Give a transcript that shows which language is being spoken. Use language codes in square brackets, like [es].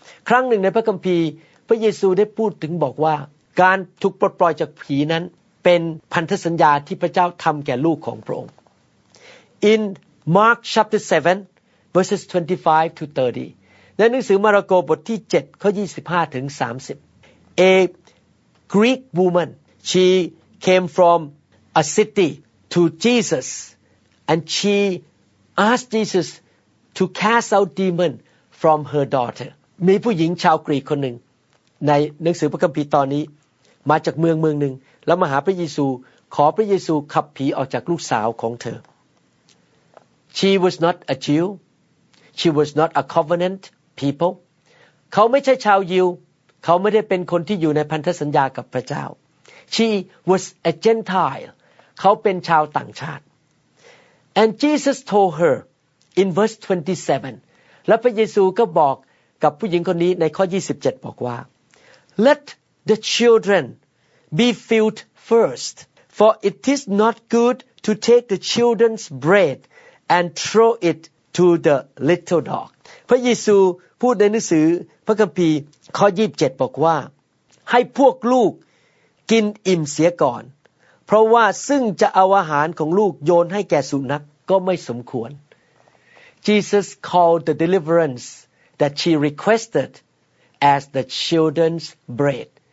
[th] ครั้งหนึ่งในพระคัมภีร์พระเยซูได้พูดถึงบอกว่าการถูกปลดปล่อยจากผีนั้นเป็นพันธสัญญาที่พระเจ้าทำแก่ลูกของพระองค์ [en] In Mark chapter 7 verses 25 to 30. [th] ในหนังสือมาระโกบทที่7ข้อ25ถึง30. [en] A Greek woman, shecame from a city to Jesus, and she asked Jesus to cast out demon from her daughter. [th] มีผู้หญิงชาวกรีกคนหนึ่งในหนังสือพระคัมภีร์ตอนนี้มาจากเมืองหนึ่งแล้วมาหาพระเยซูขอพระเยซูขับผีออกจากลูกสาวของเธอ [en] She was not a Jew. She was not a covenant people. [th] เขาไม่ใช่ชาวยิวเขาไม่ได้เป็นคนที่อยู่ในพันธสัญญากับพระเจ้า [en] She was a Gentile. [th] เขาเป็นชาวต่างชาติ [en] And Jesus told her in verse 27. [th] และพระเยซูก็บอกกับผู้หญิงคนนี้ในข้อ27บอกว่า [en] Let the children be filled first, for it is not good to take the children's bread and throw it to the little dog. [th] พระเยซูพูดในหนังสือพระคัมภีร์ข้อ27บอกว่าให้พวกลูกกินอิ่มเสียก่อนเพราะว่าซึ่งจะเอาอาหารของลูกโยนให้แก่สุนัขก็ไม่สมควร [en] Jesus called the deliverance that she requested as the children's bread.